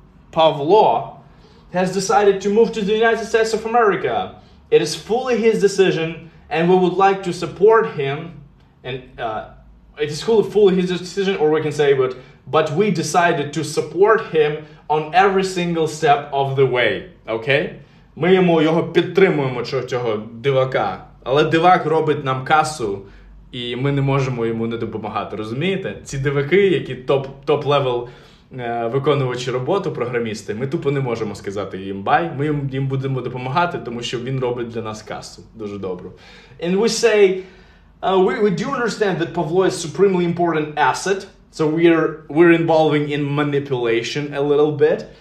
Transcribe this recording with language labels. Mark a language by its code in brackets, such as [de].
[en] Pavlo has decided to move to the United States of America. It is fully his decision, and we would like to support him. And it is fully his decision, or we can say, but we decided to support him on every single step of the way. Okay? [uk] Ми йому його підтримуємо, що цього дивака. Але дивак робить нам касу, і ми не можемо йому не допомагати. Розумієте? Ці дивики, які топ-левел виконувачі роботу, програмісти, ми тупо не можемо сказати їм бай, ми їм будемо допомагати, тому що він робить для нас касу дуже добру. [en] And we say, we do understand that Pavlo is supremely important asset, so we're involving in manipulation a little bit.